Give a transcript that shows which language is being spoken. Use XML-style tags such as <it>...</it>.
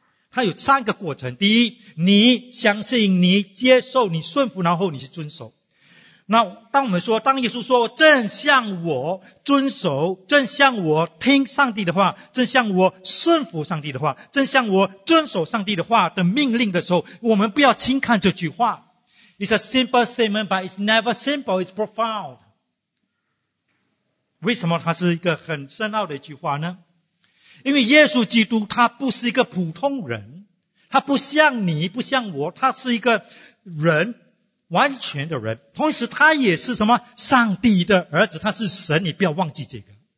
<zh>他有三个过程，第一，你相信，你接受，你顺服，然后你去遵守。那当我们说，当耶稣说正像我遵守，正像我听上帝的话，正像我顺服上帝的话，正像我遵守上帝的话的命令的时候，我们不要轻看这句话。</zh> <en>It's a simple statement, but it's never simple, it's profound.</en> <zh>为什么它是一个很深奥的一句话呢？因为耶稣基督他不是一个普通人，他不像你不像我，他是一个人，完全的人，同时他也是什么？上帝的儿子，他是神，你不要忘记这个。</zh>